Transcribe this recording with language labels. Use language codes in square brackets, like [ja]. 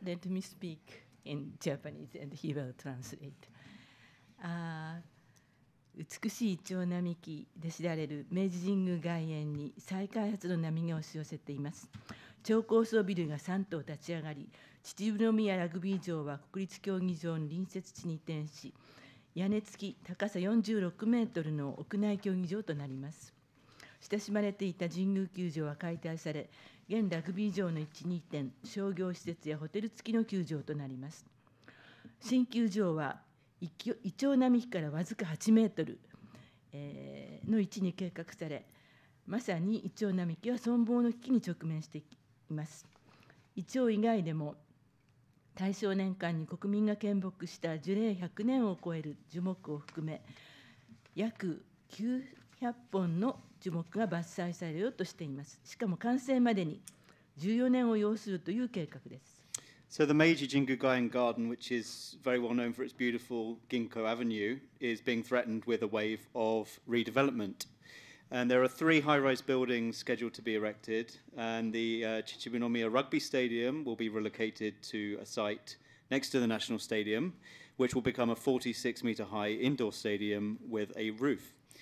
[en] Let me speak in Japanese and he will translate. [ja] 美しい蝶並木で知られる明治神宮外苑に再開発の波が押し寄せています。超高層ビルが3棟立ち上がり、秩父宮ラグビー場は国立競技場の隣接地に移転し、屋根付き高さ46メートルの屋内競技場となります。親しまれていた神宮球場は解体され、現ラグビー場の位置に移転、商業施設やホテル付きの球場となります。新球場はイチョウ並木からわずか8メートルの位置に計画され、まさにイチョウ並木は存亡の危機に直面しています。イチョウ以外でも、大正年間に国民が献木した樹齢100年を超える樹木を含め、約900本の樹木が伐採されようとしています。しかも完成までに 14年を要するという計画です。 [en] So the Meiji Jingu Gaien Garden, which is very well known for its beautiful Ginkgo Avenue, is being threatened with a wave of redevelopment. And there are three high-rise buildings scheduled to be erected, and the Chichibunomiya Rugby Stadium will be relocated to a site next to the National Stadium, which will become a 46-meter-high indoor stadium with a roof.